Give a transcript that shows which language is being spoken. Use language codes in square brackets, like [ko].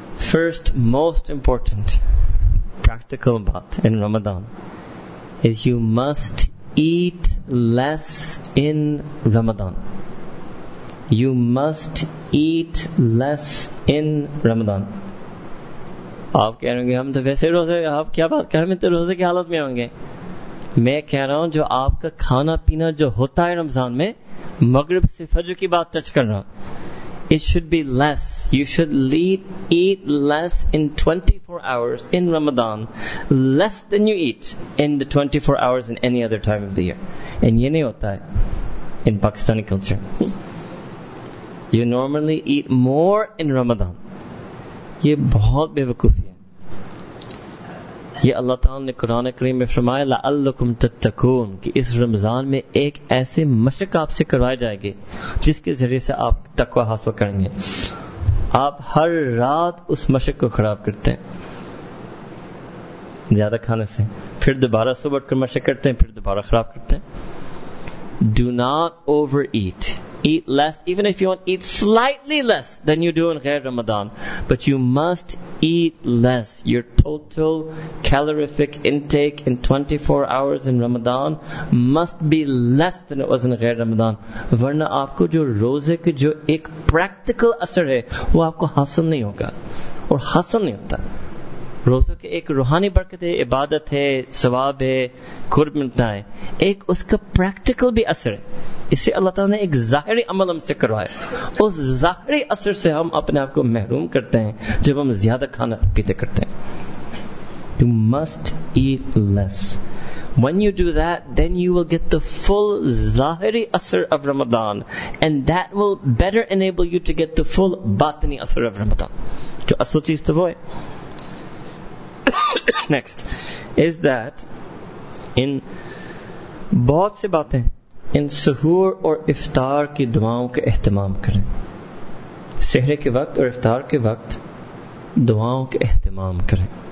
[en] First, most important practical baat in Ramadan is you must eat less in Ramadan. You must eat less in Ramadan. [ur] آپ کہہ رہے ہوں گے ہم تو ویسے روزے, آپ کیا بات کر رہے ہیں, تو روزے کی حالت میں ہوں گے. میں کہہ رہا ہوں جو آپ کا کھانا پینا جو ہوتا ہے رمضان میں, مغرب سے فجر کی بات ٹچ کر رہا ہوں, [en] it should be less. You should eat less in 24 hours in Ramadan, less than you eat in the 24 hours in any other time of the year. And [ur] یہ نہیں ہوتا ہے [en] in Pakistani culture. You normally eat more in Ramadan. [ur] یہ بہت بے وقوفی ہے. یہ اللہ تعالیٰ نے قرآن کریم میں فرمایا [ar] لَعَلَّكُمْ تَتَّقُونَ, [ur] کہ اس رمضان میں ایک ایسے مشق آپ سے کروائے جائے گی جس کے ذریعے سے آپ تقویٰ حاصل کریں گے. آپ ہر رات اس مشق کو خراب کرتے ہیں زیادہ کھانے سے, پھر دوبارہ صبح اٹھ کر مشق کرتے ہیں, پھر دوبارہ خراب کرتے ہیں. [en] Do not overeat. Eat less, even if you want, eat slightly less than you do in Ghair Ramadan. But you must eat less. Your total calorific intake in 24 hours in Ramadan must be less than it was in Ghair Ramadan. [ur] Varna aapko jo roze ke jo ek practical asar hai, wo aapko hasil nahi hoga. Aur hasil nahi hota. روزوں کے ایک روحانی برکت ہے, عبادت ہے, ثواب ہے, قرب ملتا ہے, ایک اس کا پریکٹیکل بھی اثر ہے. اسے اللہ تعالیٰ نے ایک ظاہری عمل ہم سے کروایا. اس ظاہری اثر سے ہم اپنے آپ کو محروم کرتے ہیں جب ہم زیادہ کھانا پیتے کرتے ہیں. [en] You must eat less. When you do that, then you will get the full zahiri asr of Ramadan, and that will better enable you to get the full batini asr of Ramadan. [ur] جو اصل چیز تو وہ ہے. [en] Next is that in [ur] بہت سے باتیں, ان سحور اور افطار کی دعاؤں کا اہتمام کریں. سحر کے وقت اور افطار کے وقت دعاؤں کا اہتمام کریں.